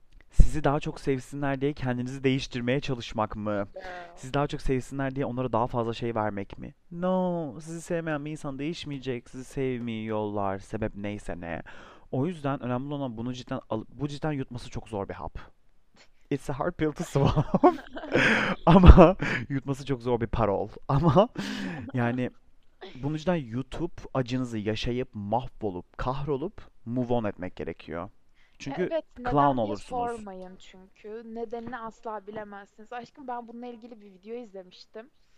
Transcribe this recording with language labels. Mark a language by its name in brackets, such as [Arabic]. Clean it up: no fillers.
[Turkish] Sizi daha çok sevsinler diye kendinizi değiştirmeye çalışmak mı? [English] Girl. [Turkish] Sizi daha çok sevsinler diye onlara daha fazla şey vermek mi? [English] No, [Turkish] sizi sevmeyen bir insan değişmeyecek. Sizi sevmiyorlar. Sebep neyse ne. O yüzden önemli olan bunu cidden alıp, bu cidden yutması çok zor bir hap. [English] It's a hard pill to swallow. [Turkish] Ama yutması çok zor bir parol. Ama yani bunu cidden yutup, acınızı yaşayıp, mahvolup, kahrolup, move on etmek gerekiyor. Çünkü Evet, [English] clown [Turkish] neden diye olursunuz. sormayın çünkü. Nedenini asla bilemezsiniz. Aşkım ben bununla ilgili bir video izlemiştim.